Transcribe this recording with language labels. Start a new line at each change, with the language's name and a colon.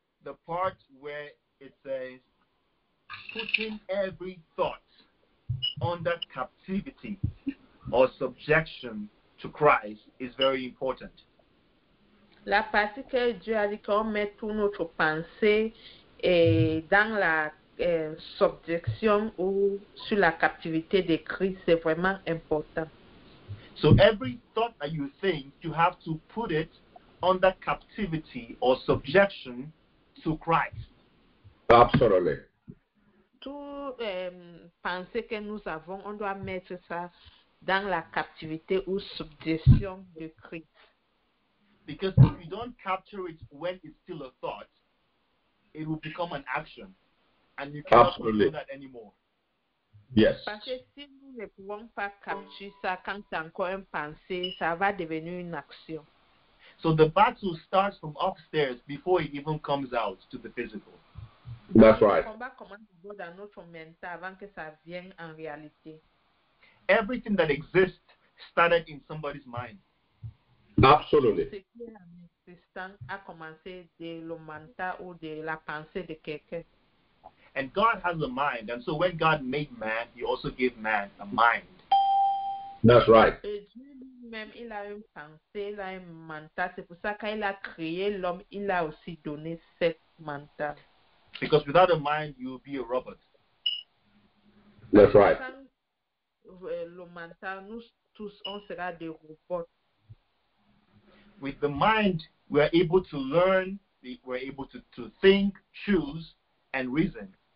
English: The part where it says, putting every thought under captivity or subjection to Christ is very important.
French: La partie que Dieu a dit qu'on met toute notre pensée et dans la subjection ou sur la captivité de Christ, c'est vraiment important.
English: So every thought that you think, you have to put it under captivity or subjection to Christ. Absolutely.
French: Toute pensée que nous avons, on doit mettre ça dans la captivité ou subjection de Christ.
English: Because if you don't capture it when it's still a thought, it will become an action. And you cannot control that anymore. Yes.
French: Parce que si nous ne pouvons pas capturer ça quand c'est encore une pensée, ça va devenir une action.
English: So the battle starts from upstairs before it even comes out to the physical. That's right.
French: Le combat commence dans notre mental avant que ça vienne en réalité.
English: Everything that exists started in somebody's mind. Absolutely.
French: Ce qui est en existant a commencé de le mental ou de la pensée de quelqu'un.
English: And God has a mind, and so when God made man, he also gave man a mind. That's right.
French: Et Dieu lui-même, il a une pensée, il a un mental. C'est pour ça quand il a créé l'homme, il a aussi donné cette mental.
English: Because without a mind, you will be a robot. That's right.
French: Le mental, nous tous, on sera des robots.
English: With the mind, we are able to learn, we are able to think, choose, and reason.